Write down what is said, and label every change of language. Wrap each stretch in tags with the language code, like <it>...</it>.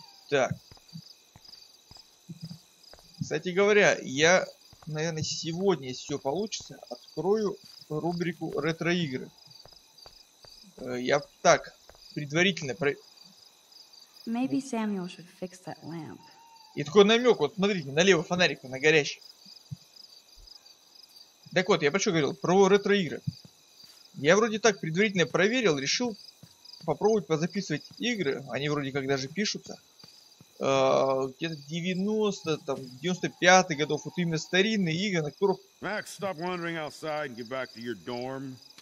<ru>Так. Кстати говоря, я, наверное, сегодня, если все получится, открою рубрику ретро-игры. Я так, предварительно про...</ru> <en>Maybe Samuel should fix that lamp.</en> <ru>И такой намек, вот смотрите, налево фонарик, на горящий. Так вот, я про что говорил? Про ретро-игры. Я вроде так предварительно проверил, решил попробовать позаписывать игры. Они вроде как даже пишутся. Где-то 90, там, 95-х годов, вот именно старинные игры, на которых...</ru> <en>Max, stop wandering outside and get back to your dorm.</en>